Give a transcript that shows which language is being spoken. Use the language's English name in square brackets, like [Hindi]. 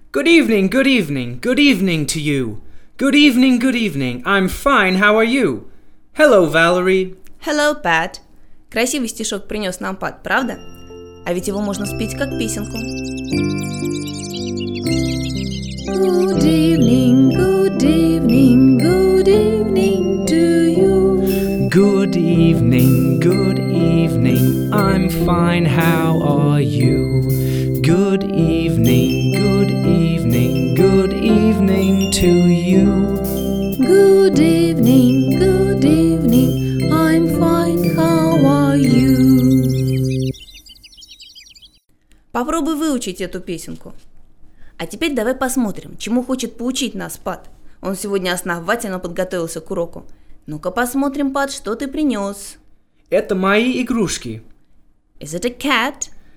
[English] Good evening, good evening, good evening to you. Good evening, good evening. I'm fine, how are you? Hello, Valerie. Hello, Pat. [Russian] Красивый стишок принес нам Пат, правда? А ведь его можно спеть как песенку. [English] Good evening, good evening, good evening to you. Good evening, good evening, I'm fine, how are you? Good evening, good evening, good evening to you. Good evening, good evening, I'm fine, how are you? [Russian] Попробуй выучить эту песенку. А теперь давай посмотрим, чему хочет поучить нас Пат. Он сегодня основательно подготовился к уроку. Ну-ка посмотрим, Пат, что ты принес. Это мои игрушки. [English] Is it a cat?